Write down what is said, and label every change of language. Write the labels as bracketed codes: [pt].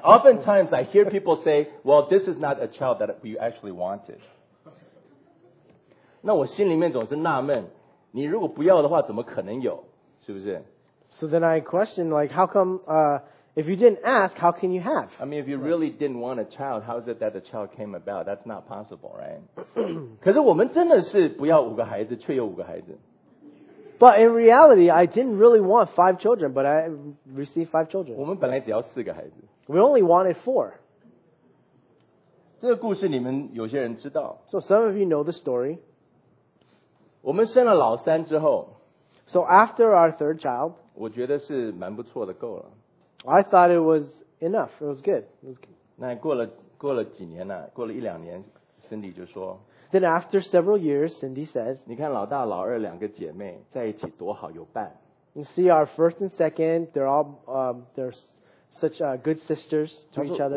[en] Oftentimes I hear people say, well, this is not a child that we actually wanted. [zh] 那我心里面总是纳闷, 你如果不要的话, 怎么可能有? 是不是? [en] So then I question, like, how come, if you didn't ask, how can you have? I mean, if you really didn't want a child, how is it that the child came about? That's not possible, right? [zh] 可是我们真的是不要五个孩子, [en] but in reality, I didn't really want five children, but I received five children. [zh] 我们本来只要四个孩子。 [en] We only wanted four. [zh] 这个故事你们有些人知道。 [en] So some of you know the story. [zh] 我们生了老三之后, [en] so after our third child, [zh] 我觉得是蛮不错的够了。 [en] I thought it was enough. It was good. It was good. [zh] 那过了几年啊, 过了一两年, Cindy就说, [en] then after several years, Cindy says, [zh] 你看老大老二两个姐妹在一起多好, [en] you see our first and second, they're all, they're such good sisters to each other.